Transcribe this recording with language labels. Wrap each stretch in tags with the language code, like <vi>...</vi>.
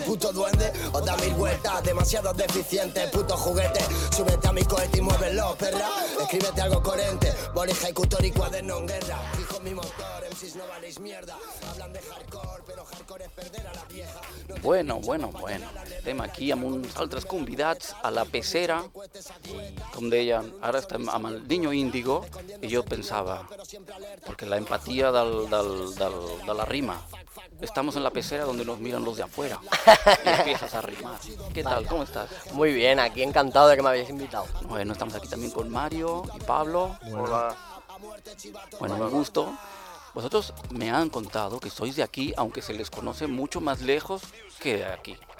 <es>Puto duende, os da mil vueltas. Demasiado deficiente, puto juguete. Súbete a mi cohete y muévelo, perra. Escríbete algo coherente. Bola ejecutor y cuaderno en guerra. Fijo mi motor, MCs no valéis mierda. Hablan de hardcore, pero hardcore es perder a la vieja. Bueno, bueno, bueno.</es> <ca>Estem aquí amb uns altres convidats a la pecera. Com deien, ara estem amb el Niño Índigo i jo pensava, perquè la empatia de la rima.</ca> <es>Estamos en la pecera donde nos miran los de afuera y empiezas a rimar. ¿Qué tal? ¿Cómo estás? Muy bien, aquí encantado de que me habéis invitado. Bueno, estamos aquí también con Mario y Pablo. Bueno. Hola. Bueno, un gusto. Vosotros me han contado que sois de aquí, aunque se les conoce mucho más lejos que de aquí.</es>